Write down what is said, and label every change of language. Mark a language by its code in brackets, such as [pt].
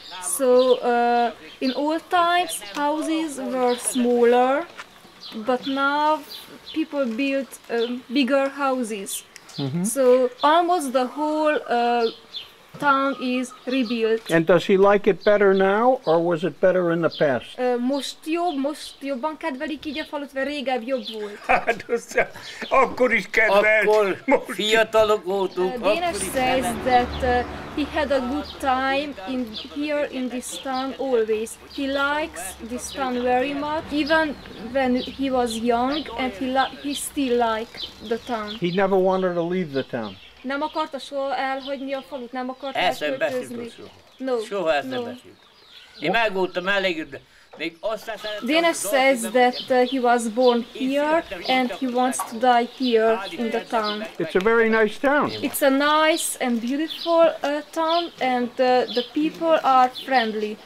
[en] So in old times, houses were smaller, but now people built bigger houses. Mm-hmm. So almost the whole town is rebuilt. And does he like it better now, or was it better in the past? [hu] Most jobban kedvelik így a falut, mert régebb jobb volt. Hát, akkor is kedvelt. Akkor fiatalok voltunk. [en] Danesh says that he had a good time in here in this town always. He likes this town very much, even when he was young, and he still liked the town. He never wanted to leave the town. [hu] Nem akarta soha elhagyni a falut, nem akarta elköltözni. Soha ezt nem beszélt. Én megvoltam elégedve. Még azt szeretem. [en] Danesh says that he was born here and he wants to die here in the town. It's a very nice town. It's a nice and beautiful town, and the people are friendly.